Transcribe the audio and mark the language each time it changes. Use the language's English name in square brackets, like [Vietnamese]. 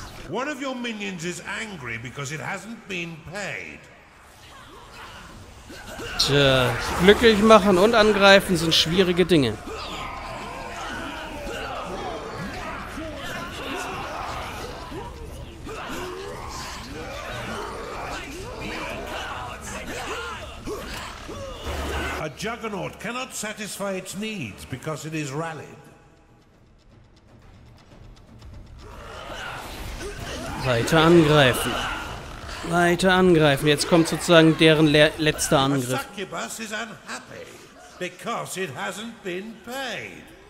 [English] One of your minions is angry because it hasn't been paid. [German] Tja, glücklich machen und angreifen sind schwierige Dinge. [English] Juggernaut cannot satisfy its needs because it is rallied. [German] Weiter angreifen. Weiter angreifen. Jetzt kommt sozusagen deren letzter Angriff. [English] A succubus is unhappy because it hasn't been paid.